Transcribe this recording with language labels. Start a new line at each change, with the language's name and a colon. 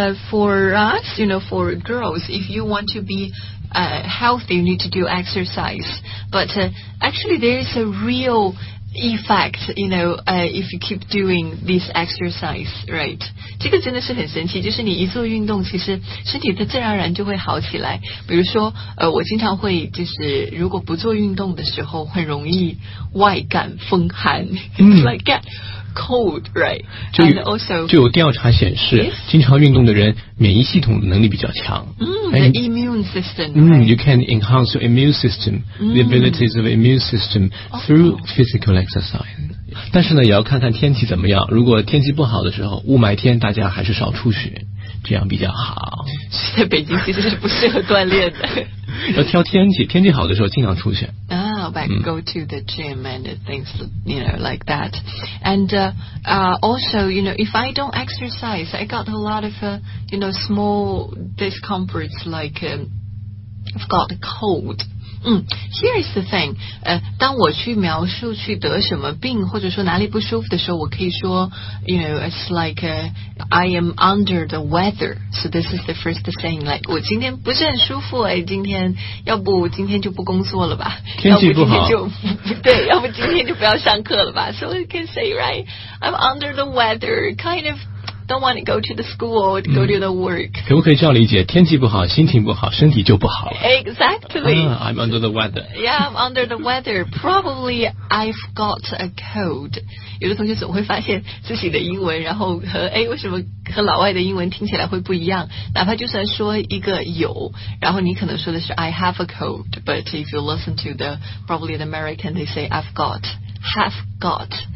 English: For us, you know, for girls, if you want to be healthy, you need to do exercise. But actually, there is a real... effect, you know, if you keep doing this exercise, right?
Chinese: 这个真的是很神奇，就是你一做运动，其实身体它自然而然就会好起来。比如说，我经常会就是如果不做运动的时候，很容易外感风寒
English: like get cold, right? And also,
Chinese: 就有调查显示，
English: yes?
Chinese: 经常运动的人免疫系统能力比较强。
English: The immune system. Right? You can enhance your immune system, the abilities of immune system through physical exercise.
Chinese: 但是呢，也要看看天气怎么样。如果天气不好的时候，雾霾天，大家还是少出去，这样比较好。在北京其实是不适合锻炼的。要挑天气，天气好的时候尽量出去。
English: Go to the gym and things, you know, like that. And also, you know, if I don't exercise, I got a lot of, you know, small discomforts, like I've got a cold. Here is the thing.
Chinese: 当我去描述去得什么病或者说哪里不舒服的时候，我可以说
English: you know, it's like I am under the weather. So this is the first saying, like
Chinese: 我今天不是很舒服、哎、今天要不今天就不工作了吧，天气不好，要不今天就对，要不今天就不要上课了吧。
English: So we can say, right, I'm under the weather, kind of don't want to go to the school or go to the work.
Chinese: 可不可以这样理解？天气不好，心情不好，身体就不好了。
English: Exactly. I'm under the weather. Yeah, I'm under the weather. Probably I've got a cold.
Chinese: 有的同学总会发现自己的英文，然后和为什么和老外的英文听起来会不一样？哪怕就算说一个有，然后你可能说的是
English: I have a cold, but if you listen to the probably the American, they say I've got, have got.